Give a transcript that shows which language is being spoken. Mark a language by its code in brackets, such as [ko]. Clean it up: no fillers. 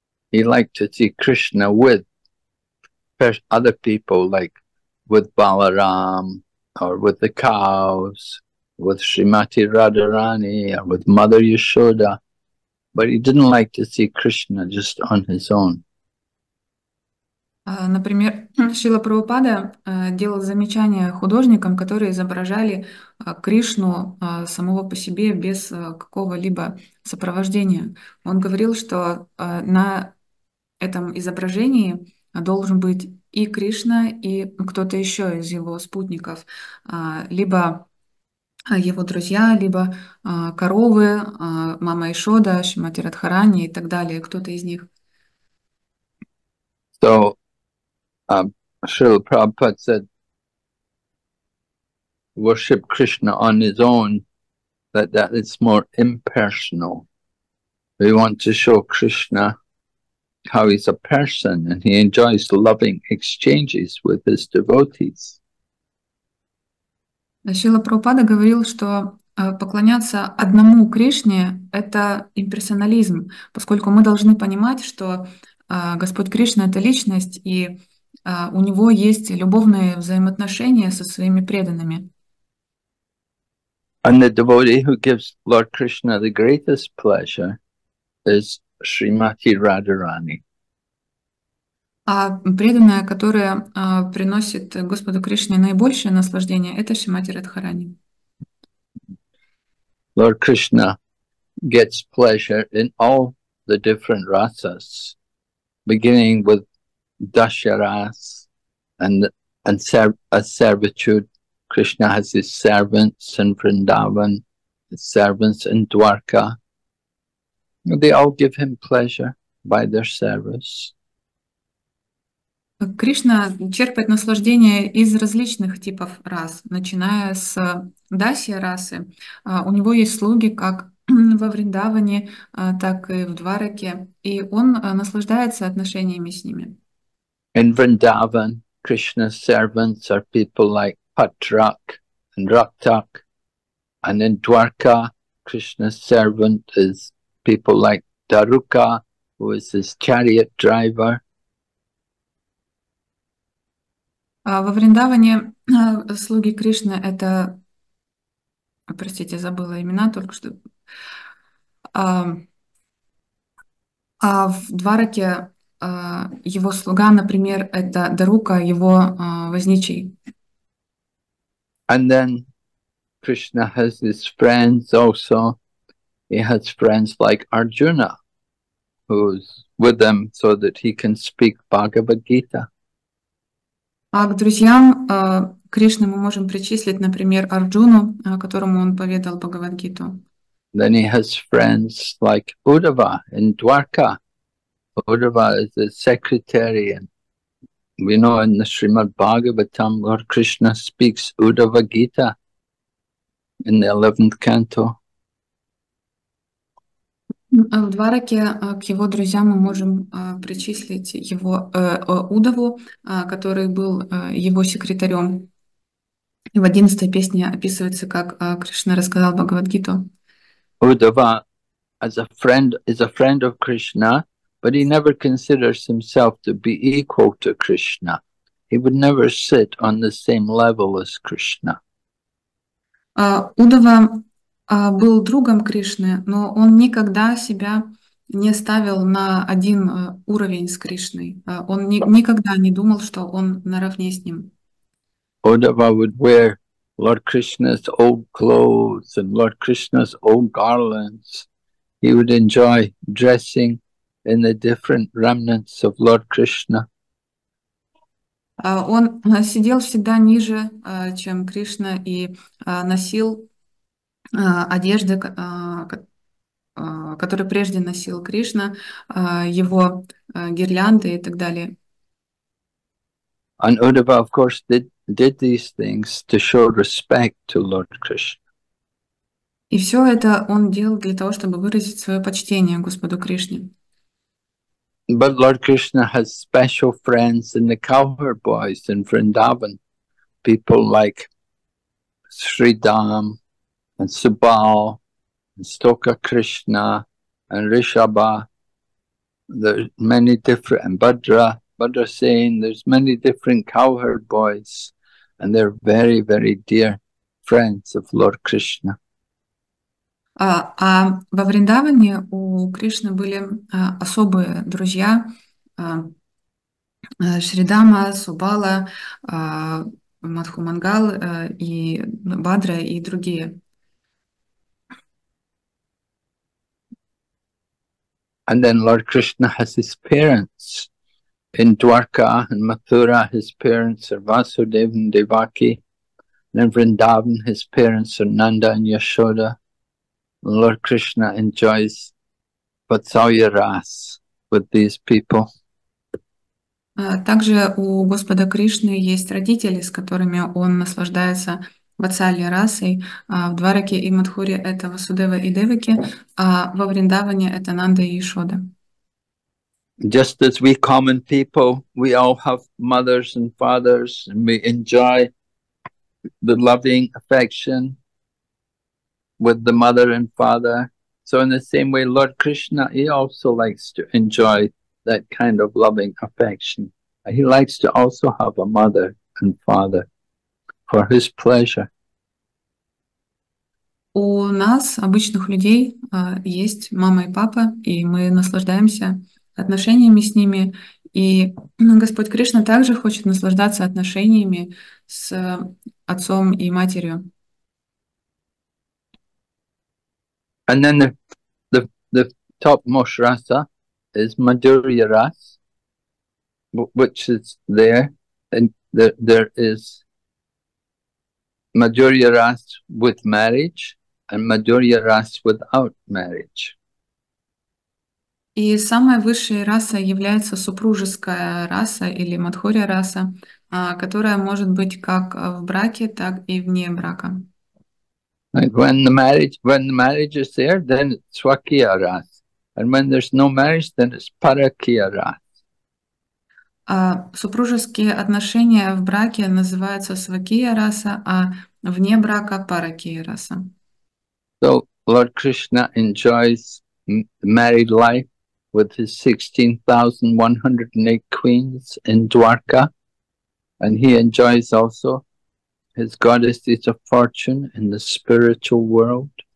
[en] He liked to see Krishna with other people, like with Balaram, or with the cows, with Srimati Radharani, or with Mother Yashoda. But he didn't like to see Krishna just on his own. [ru] Например, Шрила Прабхупада делал замечания художникам, которые изображали Кришну самого по себе без какого-либо сопровождения. Он говорил, что на этом изображении должен быть и Кришна, и кто-то еще из его спутников, либо его друзья, либо коровы, мама Ишода, Шримати Радхарани и так далее, кто-то из них. [en] So, Srila Prabhupada said, worship Krishna on his own, that is more impersonal. We want to show Krishna how he's a person and he enjoys loving exchanges with his devotees. [ru] Шрила Прабхупада говорил, что поклоняться одному Кришне — это имперсонализм, поскольку мы должны понимать, что Господь Кришна — это личность, и у него есть любовные взаимоотношения со своими преданными. [en] And the devotee who gives Lord Krishna the greatest pleasure is Srimati Radharani. [ru] А преданная, которая приносит Господу Кришне наибольшее наслаждение, это Шримати Радхарани. [en] Lord Krishna gets pleasure in all the different rasas, beginning with dasharas and a servitude. Krishna has his servants in Vrindavan, his servants in Dwarka. They all give him pleasure by their service. [ru] Кришна черпает наслаждение из различных типов рас, начиная с дасья расы. У него есть слуги как во Вриндаване, так и в Двараке, и он наслаждается отношениями с ними. [en] In Vrindavan, Krishna's servants are people like Patrak and Raktak, and in Dwarka, Krishna's servant is people like Daruka, who is his chariot driver. [ru] Во Вриндаване слуги Кришны — это... Простите, забыла имена только что. А в Двараке его слуга, например, это Дарука, его возничий. [en] And then Krishna has his friends also. He has friends like Arjuna, who's with them so that he can speak Bhagavad Gita. [ru] А к друзьям Кришны мы можем причислить, например, Арджуну, которому он поведал Бхагавад-гиту. [en] Then he has friends like Uddhava in Dwarka. Uddhava is the secretary, and we know in the Srimad Bhagavatam, Lord Krishna speaks Uddhava Gita in the 11th canto. [ru] В Двараке к его друзьям мы можем причислить его Удаву, который был его секретарем. И в 11-й песне описывается, как Кришна рассказал Бхагавад-гиту. [en] Удава as a friend is a friend of Krishna, but he never considers himself to be equal to Krishna. He would never sit on the same level as Krishna. [ru] Удава был другом Кришны, но он никогда себя не ставил на один уровень с Кришной. Он никогда не думал, что он наравне с ним. [en] Uddhava would wear Lord Krishna's old clothes and Lord Krishna's old garlands. He would enjoy dressing in the different remnants of Lord Krishna. [ru] Он сидел всегда ниже, чем Кришна, и носил одежды, которые прежде носил Кришна, его гирлянды и так далее. [en] And Uddhava, of course, did these things to show respect to Lord Krishna. [ru] И все это он делал для того, чтобы выразить свое почтение Господу Кришне. [en] But Lord Krishna has special friends in the cowherd boys in Vrindavan, people like Sridham and Subal and Stoka Krishna and Rishabha. There are many different, and Bhadra. But they're saying there's many different cowherd boys, and they're very, very dear friends of Lord Krishna. [ru] А во Вриндаване у Кришны были особые друзья: Шридама, Субала, Мадху Мангал, и Бадра и другие. [en] And then Lord Krishna has his parents. In Dwarka and Mathura, his parents are Vasudev and Devaki. And in Vrindavan, his parents are Nanda and Yashoda. And Lord Krishna enjoys Vatsalya Ras with these people. [ru] Также у Господа Кришны есть родители, с которыми он наслаждается Vatsalya Rasой. В Двараке и Мадхуре это Васудева и Девики, а во Вриндаване это Нанда и Яшода. [en] Just as we common people, we all have mothers and fathers, and we enjoy the loving affection with the mother and father. So in the same way, Lord Krishna, he also likes to enjoy that kind of loving affection. He likes to also have a mother and father for his pleasure. [ru] У нас, обычных людей, есть мама и папа, и мы наслаждаемся отношениями с ними, и Господь Кришна также хочет наслаждаться отношениями с отцом и матерью. [en] And then the topmost rasa is Madhurya rasa, which is there, and there is Madhurya rasa with marriage and Madhurya rasa without marriage. [ru] И самая высшая раса является супружеская раса или Мадхурья раса, которая может быть как в браке, так и вне брака. [en] Like when the marriage is there, then it's Swakiya ras. And when there's no marriage, then it's Parakiya ras. [ru] Супружеские отношения в браке называются Свакия раса, а вне брака Паракия раса. [en] So Lord Krishna enjoys married life with his 16,108 queens in Dwarka, and he enjoys also his goddess is a fortune in the spiritual world.